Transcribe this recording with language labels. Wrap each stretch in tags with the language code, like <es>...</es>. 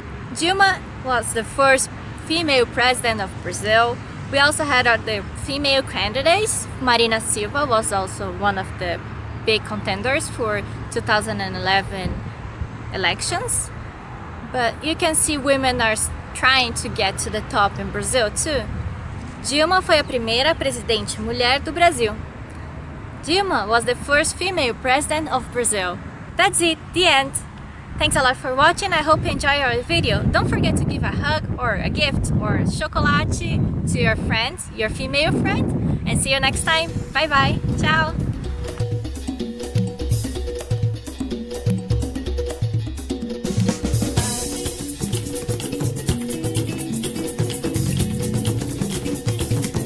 <en>Dilma was the first female president of Brazil. We also had the female candidates. Marina Silva was also one of the big contenders for 2011 elections, but you can see women are trying to get to the top in Brazil too.</en> <pt>Dilma foi a primeira presidente mulher do Brasil.</pt> <en>Dilma was the first female president of Brazil. That's it, the end. Thanks a lot for watching. I hope you enjoy our video. Don't forget to give a hug or a gift or chocolate to your friends, your female friend, and see you next time. Bye bye. Ciao. We'll be right back.</en>